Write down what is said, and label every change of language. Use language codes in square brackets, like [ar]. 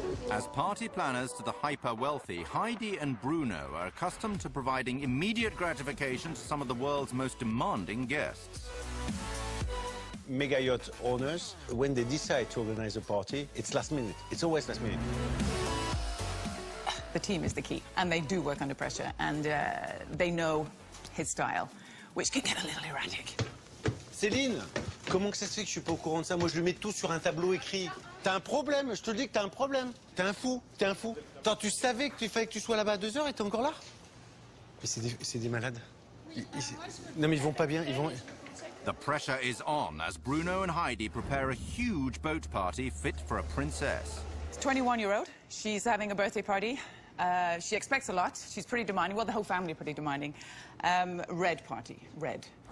[en] As party planners to the hyper-wealthy, Heidi and Bruno are accustomed to providing immediate gratification to some of the world's most demanding guests. Mega yacht owners, when they decide to organize a party, it's last minute. It's always last minute. The team is the key, and they do work under pressure, and they know his style, which can get a little erratic. [fr] Céline, comment que ça se fait que je suis pas au courant de ça? Moi, je lui mets tout sur un tableau écrit. T'as un problème, je te le dis que t'as un problème. T'es un fou, t'es un fou. Attends, tu savais qu'il fallait que tu sois là-bas à 2 heures et t'es encore là? Mais c'est des malades. Non, mais ils vont pas bien, ils vont... [en] The pressure is on as Bruno and Heidi prepare a huge boat party fit for a princess. 21-year-old. She's having a birthday party. She expects a lot. She's pretty demanding. Well, the whole family are pretty demanding. Red party. Red.